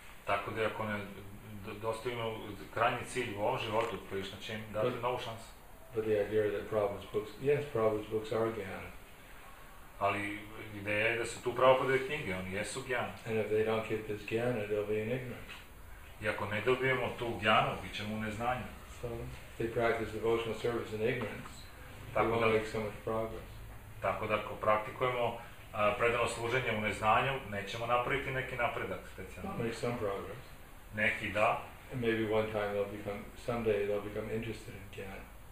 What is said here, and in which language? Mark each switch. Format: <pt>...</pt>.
<sr>Tako da ako ne dostignu krajnji cilj u ovom životu, Krišna će im dati novu šansu.</sr> <en>But the idea that Prabhupada's books, yes, Prabhupada's books are jnana.</en> <sr>Ali ideja je da su tu Prabhupada knjige, oni jesu jnana.</sr> <en>And if they don't get this jnana, they'll be in ignorance.</en> <sr>I ako ne dobijemo tu jnanu, bit ćemo u neznanju.</sr> <en>So, they practice devotional service in ignorance, they won't make so much progress.</en> <sr>Tako da ako praktikujemo predano služenje u neznanju, nećemo napraviti neki napredak specijalno.</sr> <en>Make some progress.</en> <sr>Neki da.</sr> <en>And maybe one time someday they'll become interested in jnana.</en>